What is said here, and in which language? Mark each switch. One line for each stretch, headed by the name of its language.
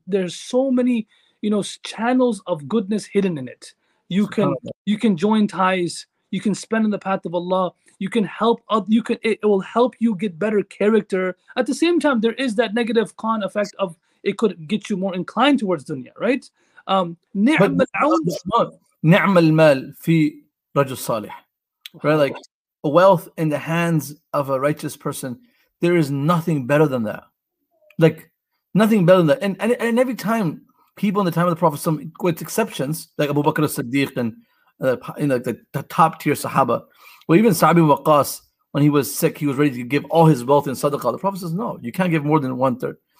English: There's so many, you know, channels of goodness hidden in it. You can join ties. You can spend in the path of Allah. You can help. It will help you get better character. At the same time, there is that negative con effect of it could get you more inclined towards dunya, right?
Arabic: نعم المال في رجل صالح,
English: right? Like wealth in the hands of a righteous person, there is nothing better than that. Like nothing better than that. And every time people in the time of the Prophet, some with exceptions like Abu Bakr as-Siddiq and the top tier Sahaba, or even Sa'bi Waqas, when he was sick, he was ready to give all his wealth in sadaqah. The Prophet says, no, you can't give more than one third.